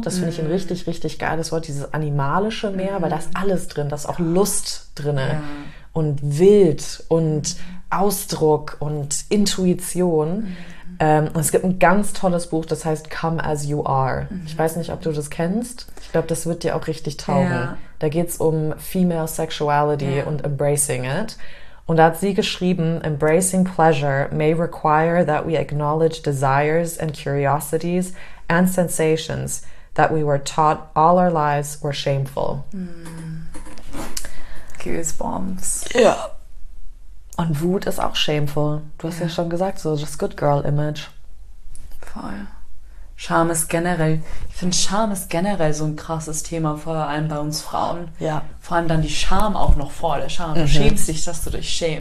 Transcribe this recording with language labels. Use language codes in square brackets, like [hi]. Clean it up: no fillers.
[de] Das finde ich ein richtig, richtig geiles Wort, dieses Animalische mehr, weil da ist alles drin, da ist auch Lust drin und Wild und Ausdruck und Intuition. Und es gibt ein ganz tolles Buch, das heißt Come As You Are. Ich weiß nicht, ob du das kennst. Ich glaube, das wird dir auch richtig taugen. Ja. Da geht es um Female Sexuality und Embracing It. Und da hat sie geschrieben, [en] embracing pleasure may require that we acknowledge desires and curiosities and sensations that we were taught all our lives were shameful. Goosebumps. [de] Ja. Und Wut ist auch shameful. Du hast ja schon gesagt, so das Good Girl Image. Voll. Scham ist generell, ich finde Scham ist generell so ein krasses Thema, vor allem bei uns Frauen. Ja. Vor allem dann die Scham auch noch vor der Scham. Du schämst dich, dass du dich schämst.